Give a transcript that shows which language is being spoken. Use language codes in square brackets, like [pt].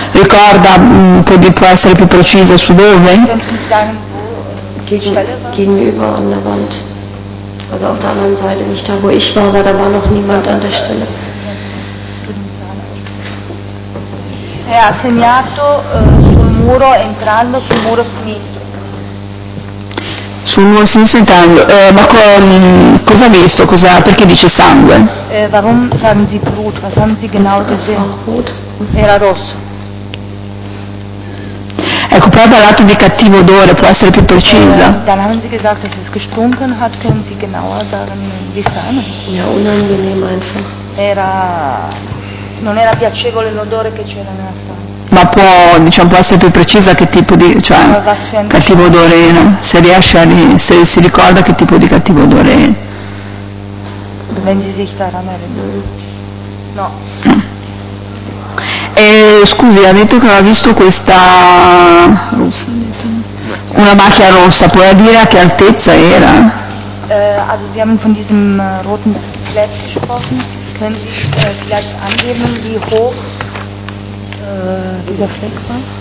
[it] Ricorda, può essere più precisa su dove? [de] Gegenüber an der Wand. Also auf der anderen Seite, nicht da wo ich war, aber da war noch niemand an der Stelle. [it] E ha segnato sul muro entrando sul muro sinistro. Sul muro sinistro entrando, ma cosa ha visto? Perché dice sangue? [de] Warum sagen Sie Blut? Was haben Sie genau gesehen? [it] Era rosso. Ecco, poi ha parlato di cattivo odore, può essere più precisa. [de] Dann haben Sie gesagt, dass es gestunken hat, können Sie genauer sagen, wie fern? Ja, unangenehm einfach. [it] Era. Non era piacevole l'odore che c'era nella stanza. Ma può, diciamo, può essere più precisa che tipo di, cioè, cattivo odore, no? Se riesce a, se si ricorda che tipo di cattivo odore è. [de] wenn Sie sich daran erinnern. [it] No. Scusi, ha detto che ha visto questa una macchia rossa, puoi dire a che altezza era? [de] Also Sie haben von diesem roten Fleck gesprochen. Können Sie vielleicht angeben, wie hoch dieser Fleck war?